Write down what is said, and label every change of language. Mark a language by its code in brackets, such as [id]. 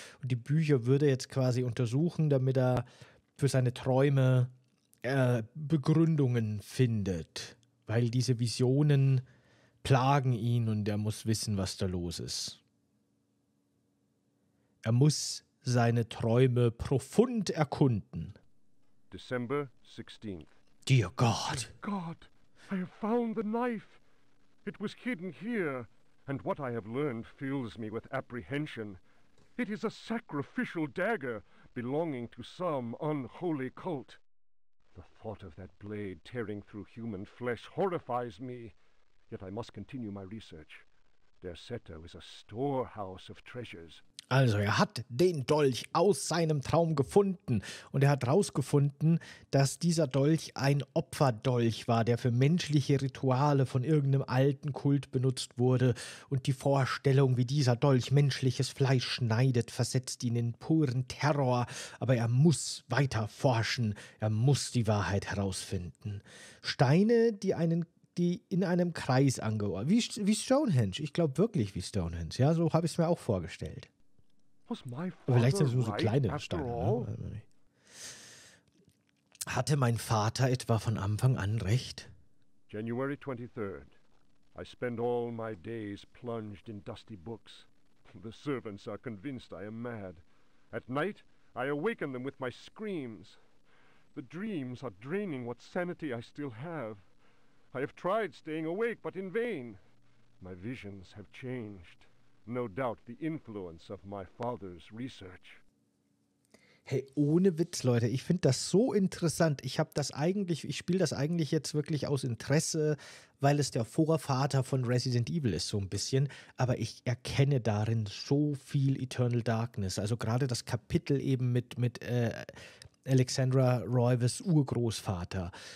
[de] Und die Bücher würde er jetzt quasi untersuchen, damit er für seine Träume Begründungen findet. Weil diese Visionen plagen ihn und er muss wissen, was da los ist. Er muss seine Träume profund erkunden. [en] December 16th. Dear God. Dear God, I have found the knife. It was hidden here, and what I have learned fills me with apprehension. It is a sacrificial dagger belonging to some unholy cult. The thought of that blade tearing through human flesh horrifies me. Yet I must continue my research. Der Seto is a storehouse of treasures. [de] Also, er hat den Dolch aus seinem Traum gefunden und er hat rausgefunden, dass dieser Dolch ein Opferdolch war, der für menschliche Rituale von irgendeinem alten Kult benutzt wurde und die Vorstellung, wie dieser Dolch menschliches Fleisch schneidet, versetzt ihn in puren Terror, aber er muss weiter forschen, er muss die Wahrheit herausfinden. Steine, die in einem Kreis angeordnet, wie Stonehenge, ich glaube wirklich wie Stonehenge, ja, so habe ich es mir auch vorgestellt. [en] Was my father, [de] aber vielleicht sind es nur so kleine [en] right, [de] Steine. Ne? Hatte mein Vater etwa von Anfang an recht? [en] January 23rd. I spend all my days plunged in dusty books. The servants are convinced I am mad. At night, I awaken them with my screams. The dreams are draining what sanity I still have. I have tried staying awake, but in vain. My visions have changed. No doubt the influence of my father's research. [de] Hey, ohne Witz, Leute, ich finde das so interessant. Ich spiele das eigentlich jetzt wirklich aus Interesse, weil es der Vorvater von Resident Evil ist, so ein bisschen. Aber ich erkenne darin so viel Eternal Darkness. Also gerade das Kapitel eben mit Alexandra Roivers Urgroßvater.